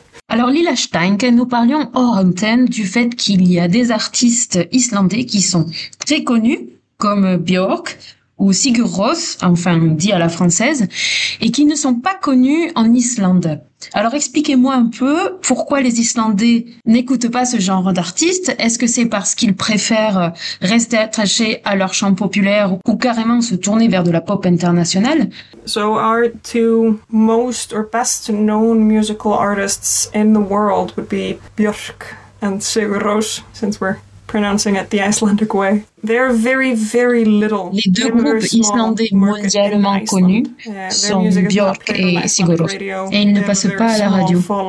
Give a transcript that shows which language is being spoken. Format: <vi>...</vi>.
<fr>Alors, Lila Steinck, nous parlions hors antenne du fait qu'il y a des artistes islandais qui sont très connus, comme Björk, ou Sigur Rós, enfin dit à la française, et qui ne sont pas connus en Islande. Alors expliquez-moi un peu pourquoi les Islandais n'écoutent pas ce genre d'artistes. Est-ce que c'est parce qu'ils préfèrent rester attachés à leur chant populaire ou carrément se tourner vers de la pop internationale?</fr> <en>So our two most or best known musical artists in the world would be Björk and Sigur Rós, since we're pronouncing it the Icelandic way. They're very, very little.</en> <fr>Les deux groupes islandais mondialement connus sont Björk et Sigur Rós. Et ils ne passent pas à la radio.</fr>